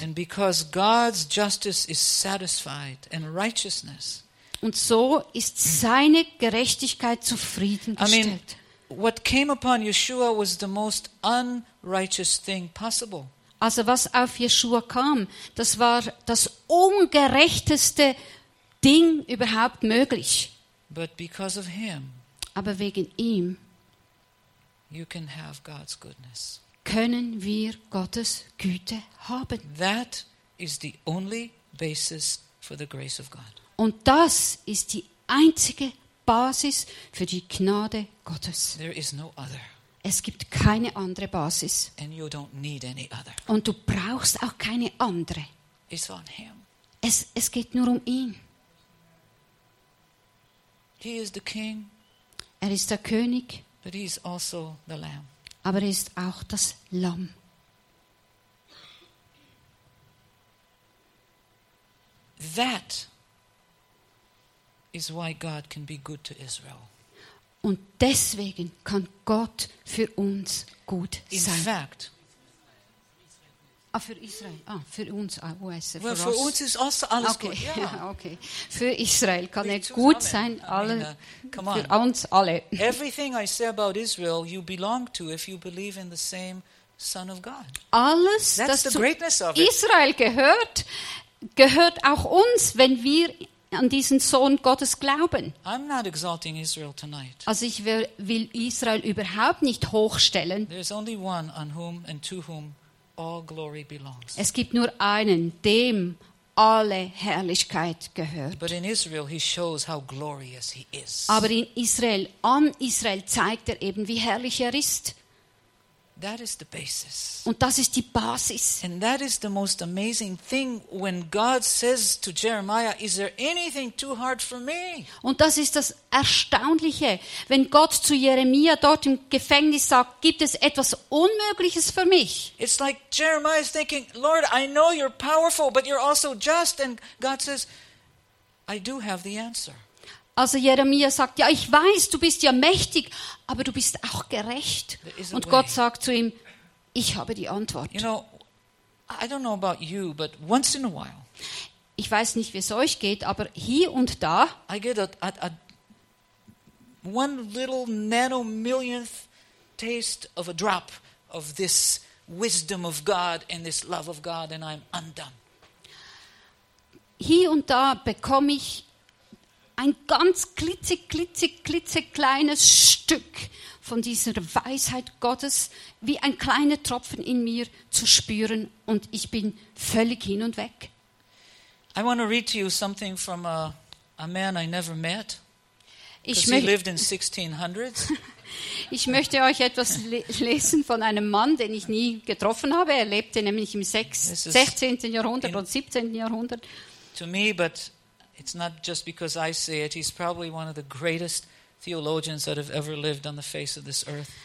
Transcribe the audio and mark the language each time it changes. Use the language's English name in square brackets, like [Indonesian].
[English] And because God's justice is satisfied and righteousness. [German] Und so ist seine Gerechtigkeit zufriedengestellt. [English] I mean, what came upon Yeshua was the most unrighteous thing possible. [German] Also was auf Yeshua kam, das war das ungerechteste Ding überhaupt möglich. [English] But because of him, [German] aber wegen ihm, [English] you can have God's goodness. [German] Können wir Gottes Güte haben. [English] That is the only basis for the grace of God. [German] Und das ist die einzige Basis für die Gnade Gottes. [English] There is no other. [German] Es gibt keine andere Basis. [English] And you don't need any other. [German] Und du brauchst auch keine andere. [English] It's on him. [German] Es geht nur um ihn. [English] He is the king, [German] er ist der König. [English] But he is also the Lamb. [German] Aber er ist auch das Lamm. [English] That is why God can be good to Israel. [German] Und deswegen kann Gott für uns gut sein. [English] In fact, [German] für Israel, für uns, für uns ist also alles okay. Gut. Ja. Okay. Für Israel kann er gut sein, alle, [English] I mean, [German] für uns alle. [English] Everything I say about Israel, you belong to if you believe in the same Son of God. [German] Alles, [English] that's [German] das [English] the greatness of [German] Israel gehört, gehört auch uns, wenn wir an diesen Sohn Gottes glauben. [English] I'm not exalting Israel tonight. [German] Also ich will Israel überhaupt nicht hochstellen. [English] There's only one on whom and to whom all glory belongs. [German] Es gibt nur einen, dem alle Herrlichkeit gehört. [English] But in Israel he shows how glorious he is. [German] Aber in Israel, an Israel zeigt er eben, wie herrlich er ist. [English] That is the basis. [German] Und das ist die Basis. [English] And that is the most amazing thing when God says to Jeremiah, is there anything too hard for me? [German] Und das ist das Erstaunliche, wenn Gott zu Jeremia dort im Gefängnis sagt, gibt es etwas Unmögliches für mich? [English] It's like Jeremiah is thinking, Lord, I know you're powerful, but you're also just, and God says, I do have the answer. [German] Also Jeremia sagt, ja, ich weiß, du bist ja mächtig, aber du bist auch gerecht. Und Gott sagt zu ihm, ich habe die Antwort. [English] You know, I don't know about you, but once in a while, [German] ich weiß nicht, wie es euch geht, aber hier und da, [English] I get a one little nano millionth taste of a drop of this wisdom of God and this love of God and I'm undone. [German] Hier und da bekomme ich ein ganz klitzekleines Stück von dieser Weisheit Gottes, wie ein kleiner Tropfen in mir zu spüren, und ich bin völlig hin und weg. [English] I want to read to you something from a man I never met. Because he lived in 1600s. [German] Ich möchte euch etwas lesen von einem Mann, den ich nie getroffen habe. Er lebte nämlich im 16. Jahrhundert und 17. Jahrhundert. [English] To me, but it's not just because I say it. He's probably one of the greatest theologians that have ever lived on the face of this earth.